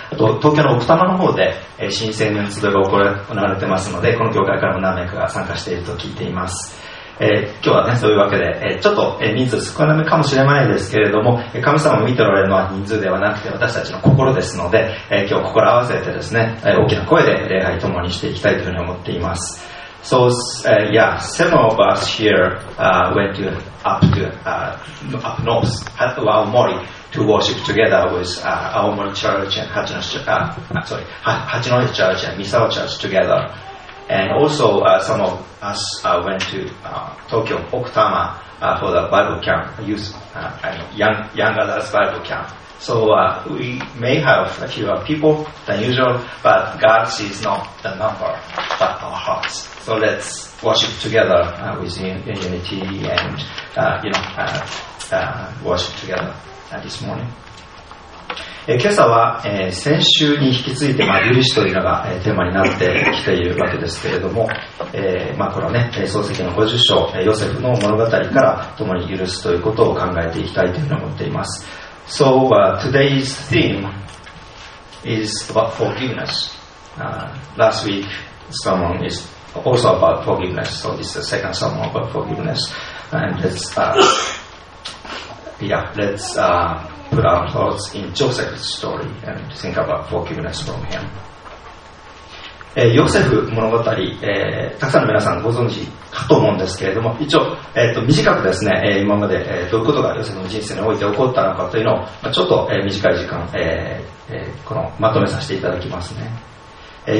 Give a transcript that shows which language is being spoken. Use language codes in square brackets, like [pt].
[ja] あと東京の奥多摩の方で、新青年集いが行われてますので、この教会からも何名かが参加していると聞いています。今日はね、そういうわけで、ちょっと、人数少なめかもしれないですけれども、神様を見ておられるのは人数ではなくて私たちの心ですので、今日心を合わせてですね、大きな声で礼拝共にしていきたいというふうに思っています。 [en] So, yeah, some of us here went up north, to Aomori, to worship together with Aomori Church and Hachinohe Church and Misawa Church together. And also some of us went to Tokyo, Okutama, for the Bible camp, young adults Bible camp. So we may have fewer people than usual, but God sees not the number, but our hearts. So let's worship together with unity and worship together this morning. [ja] 今朝は、先週に引き継いで、許しというのが、テーマになってきているわけですけれども、これはね、創世記の50章、ヨセフの物語から共に許すということを考えていきたいというふうに思っています。 [en] So today's theme is about forgiveness. Last week's sermon is also about forgiveness. So this is the second sermon about forgiveness. And let's put our thoughts in Joseph's story and think about forgiveness from him. [ja] ヨセフ物語、たくさんの皆さんご存知かと思うんですけれども、一応、短くですね、今まで、どういうことがヨセフの人生において起こったのかというのを、ちょっと、短い時間、このまとめさせていただきますね。